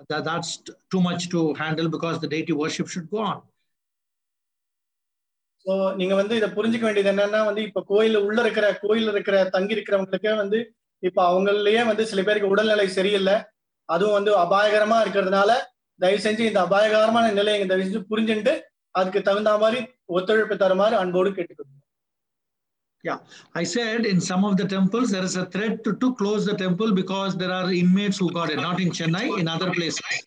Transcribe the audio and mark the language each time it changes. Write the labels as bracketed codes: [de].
[en] That's too much to handle because the deity worship should go on. [ta] So நீங்க வந்து இத புரிஞ்சிக்க வேண்டியது என்னன்னா வந்து இப்ப கோயில் உள்ள இருக்கிற கோயில் இருக்கிற தங்கி இருக்கிறவங்களுக்கே வந்து இப்ப அவங்களே வந்து சில பேருக்கு உடல்நிலை சரியில்லை, அதுவும் வந்து அபாயகரமா இருக்கிறதுனால தயவு செஞ்சு இந்த அபாயகரமான நிலையை எங்க தயவு செஞ்சு புரிஞ்சுட்டு அதுக்கு தகுந்த மாதிரி ஒத்துழைப்பு தருமாறு அன்போடு கேட்டுக்கணும். [en] Yeah, I said in some of the temples there is a threat to close the temple because there are inmates who got it, not in Chennai, in other places.